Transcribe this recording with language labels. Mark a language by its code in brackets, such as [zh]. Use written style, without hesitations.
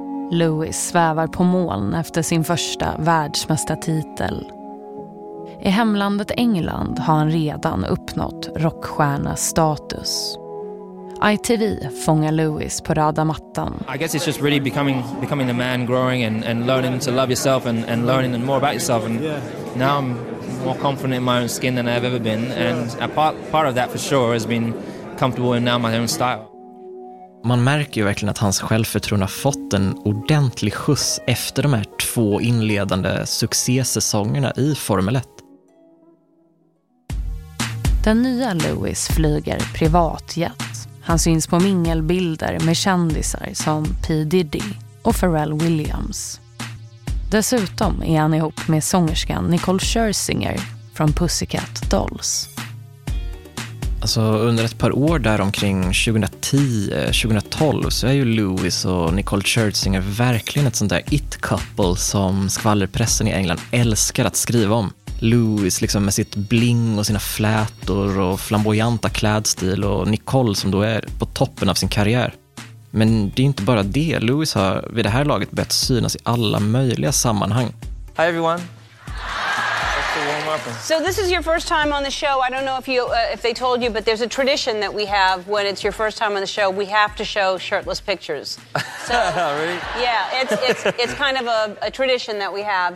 [sv] Lewis svävar på moln efter sin första världsmästartitel. I hemlandet England har han redan uppnått rockstjärnestatus. ITV fångar Lewis på röda mattan. [en] I guess it's just really becoming the man, growing and learning to love yourself and learning more about yourself, and now I'm more confident in my own skin than I've ever been, and a part of that for sure has been comfortable in now my own style. [sv] Man märker ju verkligen att hans självförtroende har fått en ordentlig skjuts efter de här två inledande succésäsongerna i Formel 1. Den nya Lewis flyger privatjet. Han syns på mingelbilder med kändisar som P. Diddy och Pharrell Williams. Dessutom är han ihop med sångerskan Nicole Scherzinger från Pussycat Dolls. Alltså, under ett par år där omkring 2010-2012 så är ju Lewis och Nicole Scherzinger verkligen ett sånt där it-couple som skvallerpressen i England älskar att skriva om. Lewis liksom med sitt bling och sina flätor och flamboyanta klädstil, och Nicole som då är på toppen av sin karriär. Men det är inte bara det. Lewis har vid det här laget börjat synas i alla möjliga sammanhang. [en] Hi everyone. Ok, to warm up. So this is your first time on the show. I don't know if you if they told you, but there's a tradition that we have when it's your first time on the show. We have to show shirtless pictures. So, really? Yeah, it's kind of a tradition that we have.